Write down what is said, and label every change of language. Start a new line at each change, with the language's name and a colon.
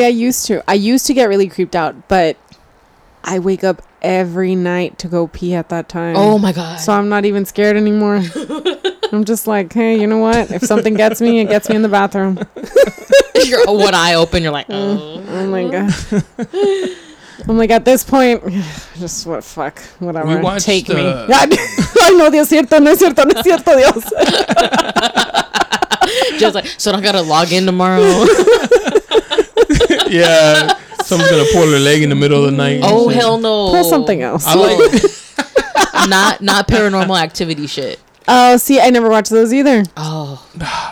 English: See, I used to get really creeped out, but I wake up every night to go pee at that time. Oh my God. So I'm not even scared anymore. I'm just like, hey, you know what? If something gets me, it gets me in the bathroom. You're one eye open. You're like, oh. Oh my God. I'm like, at this point, just what, fuck, whatever. Take me.
Spanish: Ay, no, Dios cierto, no es cierto, no es cierto, Dios.
English: Just like, so I don't gotta log in tomorrow. Yeah. Someone's gonna pull their leg in the middle of the night. Oh, shit. Hell no. Pull something else. I like not Paranormal Activity shit. Oh, see, I never watched those either. Oh.